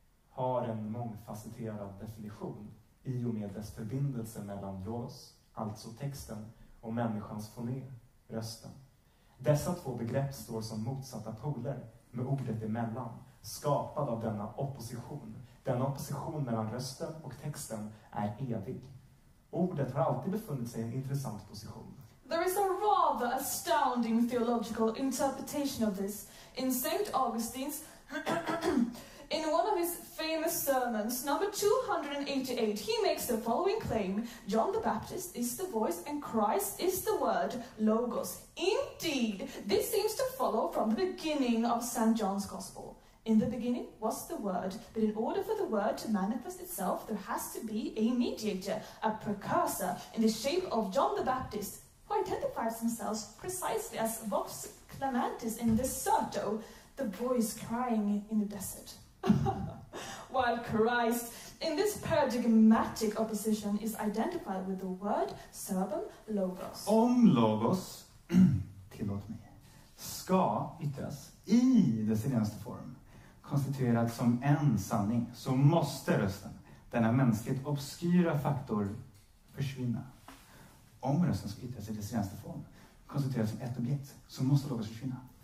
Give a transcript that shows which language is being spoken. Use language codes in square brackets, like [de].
[sv] Har en mångfacetterad definition i och med dess förbindelse mellan logos, alltså texten, och människans foné, rösten. Dessa två begrepp står som motsatta poler med ordet emellan, skapad av denna opposition. Denna opposition mellan rösten och texten är evig. Ordet har alltid befunnit sig i en intressant position. [en] There is a rather astounding theological interpretation of this in St. Augustine's in one of his famous sermons, number 288, he makes the following claim. John the Baptist is the voice and Christ is the word, logos. Indeed, this seems to follow from the beginning of St. John's Gospel. In the beginning was the word, but in order for the word to manifest itself, there has to be a mediator, a precursor, in the shape of John the Baptist, who identifies himself precisely as [la] Vox Clamantis in the Serto, [en] the voice crying in the desert. While Christ, in this paradigmatic opposition, is identified with the word [la] serbum logos. [sv] Om logos, tillåt mig, ska yttras i dess senaste form, konstituerad som en sanning, så måste rösten, denna mänskligt obskyra faktor, försvinna. Om rösten ska yttras i dess senaste form, konstituerad som ett objekt, så måste logos försvinna.